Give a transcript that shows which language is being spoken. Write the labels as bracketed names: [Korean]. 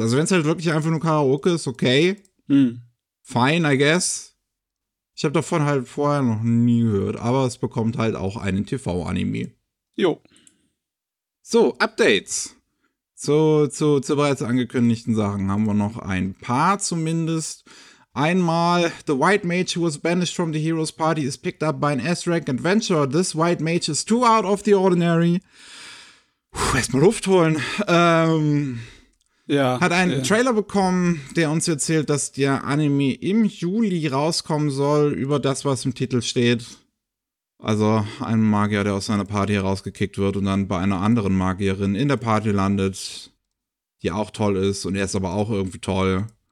[German] Also wenn es halt wirklich einfach nur Karaoke ist, okay. [English] Fine, I guess. [German] Ich habe davon halt vorher noch nie gehört. Aber es bekommt halt auch einen TV-Anime. Jo. So, Updates. Zu bereits angekündigten Sachen haben wir noch ein paar zumindest. Einmal, [English] the white mage who was banished from the Heroes Party is picked up by an S-Rank Adventurer. This white mage is too out of the ordinary. [German] Erstmal Luft holen. Hat einen Trailer bekommen, der uns erzählt, dass der Anime im Juli rauskommen soll, über das, was im Titel steht. Also ein Magier, der aus seiner Party herausgekickt wird und dann bei einer anderen Magierin in der Party landet, die auch toll ist, und er ist aber auch irgendwie toll.